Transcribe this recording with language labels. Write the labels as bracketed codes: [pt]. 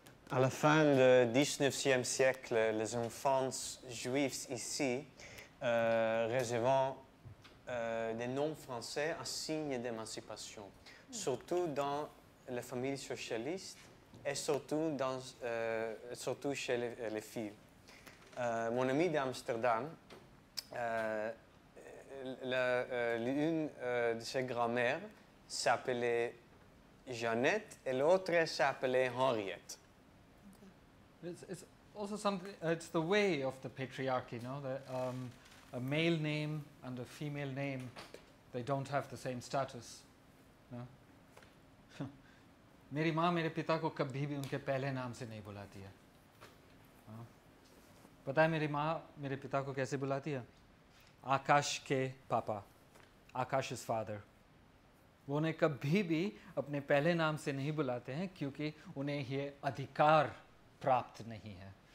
[fr] À la fin du 19e siècle, les enfants juifs ici, recevant des noms français, un signe d'émancipation, surtout dans les familles socialistes et surtout, surtout chez les filles. Mon ami d'Amsterdam, de ses grand-mères s'appelait Jeannette et l'autre s'appelait Henriette. [en] It's also something, it's the way of the patriarchy, you know, that a male name and a female name, they don't have the same status. [hi] मेरी माँ मेरे पिता को कभी भी उनके पहले नाम से नहीं बुलाती है पता है मेरी माँ मेरे पिता को कैसे बुलाती है आकाश के पापा [en] Akash is father [hi] वो उन्हें कभी भी अपने पहले नाम से नहीं बुलाते हैं क्योंकि उन्हें ये अधिकार प्राप्त नहीं है